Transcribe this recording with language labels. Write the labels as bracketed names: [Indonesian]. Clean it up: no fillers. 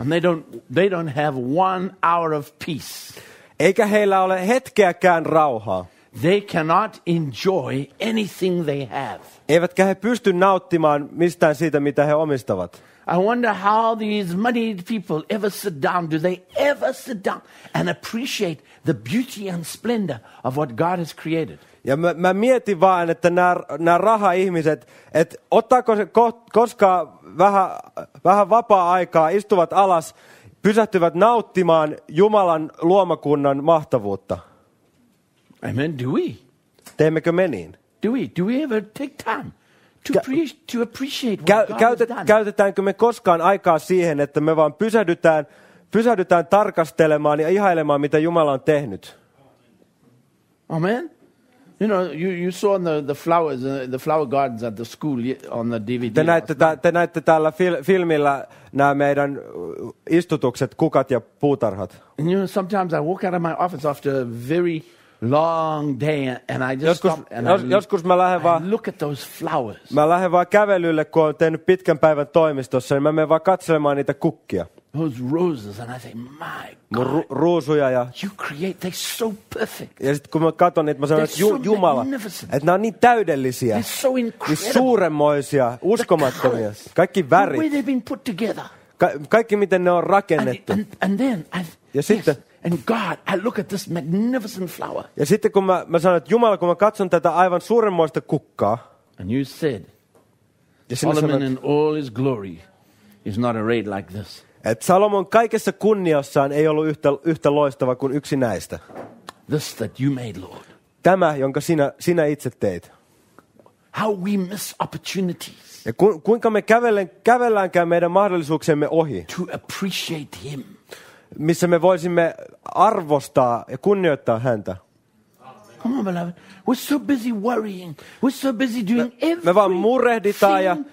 [English] And they don't have one hour of peace. [Finnish] Eikä heillä ole hetkeäkään rauhaa. [English] They cannot enjoy anything they have. [Finnish] Eivätkä he pysty nauttimaan mistään siitä, mitä he omistavat. [English] I wonder how these moneyed people ever sit down. Do they ever sit down and appreciate the beauty and splendor of what God has created? [Finnish] Ja mä mietin vaan, että nämä rahaihmiset, että ottaako se koskaan vähän vapaa-aikaa, istuvat alas, pysähtyvät nauttimaan Jumalan luomakunnan mahtavuutta. [English] Amen, do we? [Finnish] Teemmekö me niin? [English] Do we ever take time to appreciate what God has done? [Finnish] Käytetäänkö me koskaan aikaa siihen, että me vaan pysähdytään tarkastelemaan ja ihailemaan, mitä Jumala on tehnyt? Amen. [English] You know, you saw on the flowers, the flower gardens at the school on the DVD. [Finnish] Te näette tällä filmillä nämä meidän istutukset, kukat ja puutarhat. [English] And you know, sometimes I walk out of my office after a very long day and I just [Finnish] joskus, [English] stop and [Finnish] joskus [English] I look at those flowers. [Finnish] Mä lähden vaan kävelylle, kun olen tehnyt pitkän päivän toimistossa, niin mä menen vaan katselemaan niitä kukkia. [English] Those roses, and I say, my God, [Finnish] ruusuja ja [English] you create, they're so perfect. [Finnish] Ja sitten kun mä katson, että mä sanon, että Jumala, että nämä on niin täydellisiä, [English] so incredible, [Finnish] niin suuremmoisia, uskomattomia, [English] the colors, [Finnish] kaikki värit, [English] the way they've been put together. [Finnish] Kaikki miten ne on rakennettu. [English] And then, and God, I look at this magnificent flower. [Finnish] Ja sitten kun mä sanon, että Jumala, kun mä katson tätä aivan suuremmoista kukkaa, [English] and you said, Solomon in all his glory is not arrayed like this. [Finnish] Et Salomon kaikessa kunniassaan ei ollut yhtä loistava kuin yksi näistä. [English] This that you made, Lord. [Finnish] Tämä, jonka sinä itse teit. [English] How we miss opportunities. [Finnish] Ja kuinka me kävelläänkään meidän mahdollisuuksiemme ohi. [English] To appreciate him. [Finnish] Missä me voisimme arvostaa ja kunnioittaa häntä. [English] Come on, beloved. We're so busy worrying. We're so busy doing [Finnish] me vaan murehditaan ja